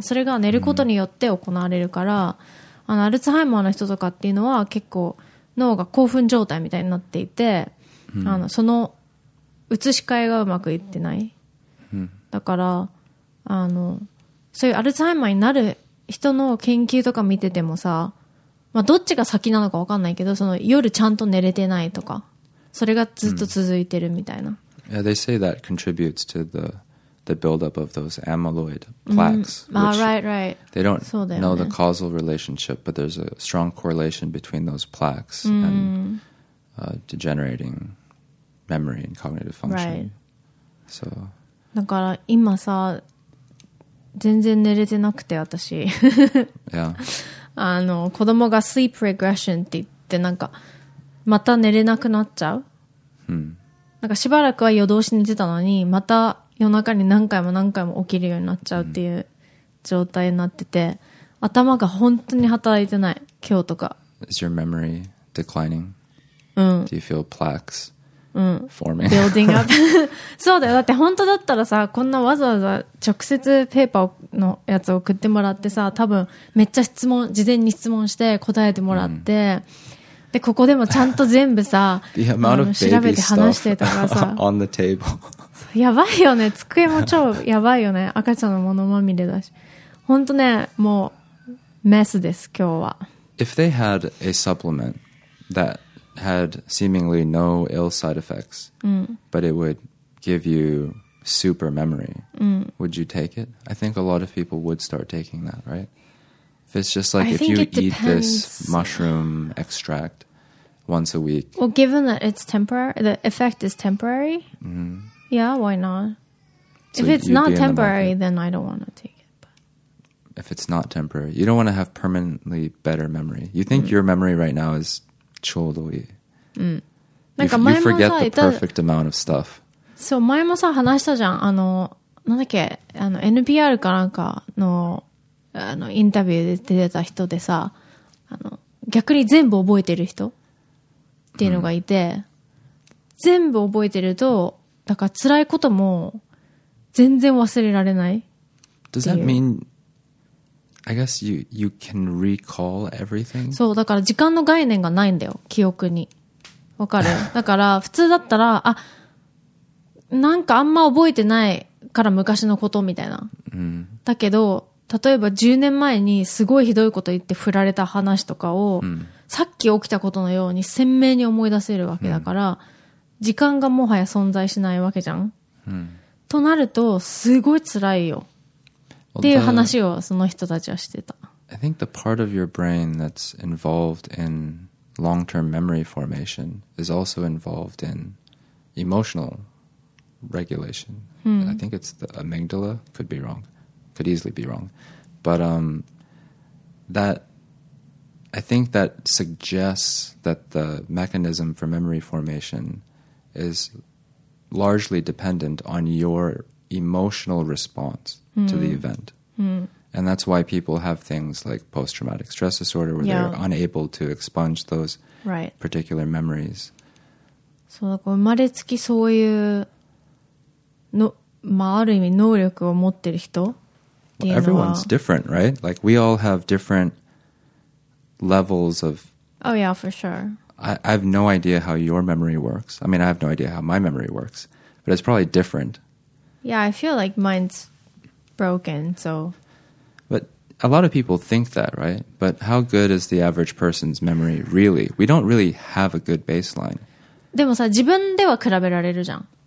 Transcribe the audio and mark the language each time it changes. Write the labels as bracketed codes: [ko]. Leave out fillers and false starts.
[ja] それが寝ることによって行われるから、アルツハイマーの人とかっていうのは結構、脳が興奮状態みたいになっていて、その移し替えがうまくいってない、だからそういうアルツハイマーになる人の研究とか見ててもさ、まあ、どっちが先なのか分かんないけど、その夜ちゃんと寝れてないとか、それがずっと続いてるみたいな、 [en] Yeah, they say that contributes to the buildup of those amyloid plaques. Right. They don't know the causal relationship, but there's a strong correlation between those plaques and degenerating memory and cognitive function. Right. So. [ja] だから今さ、全然寝れてなくて私。 [en] Yeah. [ja] 子供が sleep regression って言ってなんかまた寝れなくなっちゃう。なんかしばらくは夜通し寝てたのにまた夜中に何回も何回も起きるようになっちゃうっていう状態になってて、頭が本当に働いてない今日とか。 [en] Is your memory declining? Do you feel plaques forming? Building up. [ja] そうだよ、だって本当だったらさ、こんなわざわざ直接ペーパーのやつ送ってもらってさ、多分めっちゃ質問、事前に質問して答えてもらって、でここでもちゃんと全部さ、調べて話してとかさ、 [en] on the table。 [ja] やばいよね、机も超やばいよね、赤ちゃんの物まみれだし、本当ね、もうメスです、今日は。 [en] If they had a supplement that had seemingly no ill side effects、but it would give you super memory、would you take it? I think a lot of people would start taking that, right? If it's just like、if you eat this mushroom extract once a week. Well, given that it's temporary, the effect is temporary、Yeah, why not? So if it's not temporary, then I don't want to take it. But. If it's not temporary, you don't want to have permanently better memory. You think your memory right now is ちょうどいい. You forget the perfect amount of stuff. [ja] So, 前もさ話したじゃん。なんだっけ、NPR かなんかの、インタビューで出てた人でさ、逆に全部覚えてる人っていうのがいて、全部覚えてると、だから辛いことも全然忘れられない。 [en] Does that mean, I guess you can recall everything? [ja] そう、だから時間の概念がないんだよ、記憶に。わかる？だから普通だったら、あ、なんかあんま覚えてないから昔のことみたいな。だけど、例えば10年前にすごいひどいこと言って振られた話とかを、さっき起きたことのように鮮明に思い出せるわけだから、時間がもはや存在しないわけじゃん、となるとすごい辛いよ、っていう話をその人たちはしてた。 [en] I think the part of your brain that's involved in long-term memory formation is also involved in emotional regulation. I think it's the amygdala, could be wrong, could easily be wrong. But that I think that suggests that the mechanism for memory formationis largely dependent on your emotional response to the event. And that's why people have things like post-traumatic stress disorder where they're unable to expunge those particular memories. [ja] そう、だから生まれつきそういうの、まあ、ある意味能力を持ってる人っていうのは、 [en] well, everyone's different, right? Like we all have different levels of Oh yeah, for sure. I have no idea how your memory works. I mean, I have no idea how my memory works, but it's probably different Yeah, I feel like mine's broken, so... But a lot of people think that, right? But how good is the average person's memory, really? We don't really have a good baseline. [ja] でもさ、自分では比べられるじゃん。